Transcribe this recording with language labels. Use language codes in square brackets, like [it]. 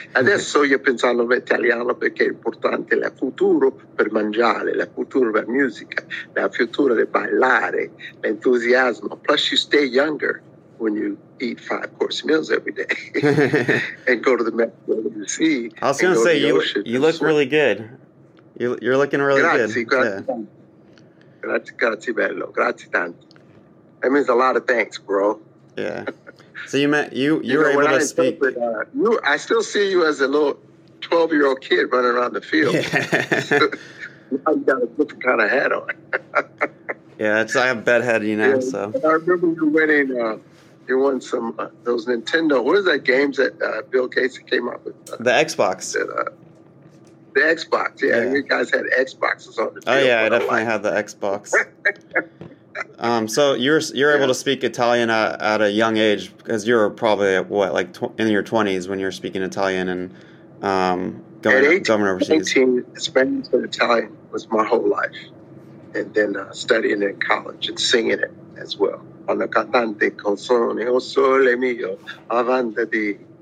[it] Adesso io pensando in Italiano perché è importante il futuro per mangiare, il futuro per musica, la futuro per ballare, l'entusiasmo. [en] Plus, you stay younger when you eat 5-course meals every day and go to the Mediterranean Sea. I was going to say, you look really good. You're looking really [it] grazie, [en] good. [it] Grazie bello. Grazie tanto. [en] That means a lot of thanks, bro. Yeah. So you were able to speak. I still see you as a little 12-year-old kid running around the field. Yeah. Now you got a different kind of hat on. Yeah, I have bed head, you know. Yeah, so I remember you winning. You won some those Nintendo. What is that games that Bill Casey came up with? The Xbox. The Xbox, yeah. You guys had Xboxes on the field. Oh, yeah, I definitely had the Xbox. So you're able to speak Italian at a young age, because you were probably, in your 20s when you were speaking Italian and going overseas. At 18, Spanish and Italian was my whole life. And then studying in college and singing it as well. [it] Quando cantante con sole, o sole mio, avanti.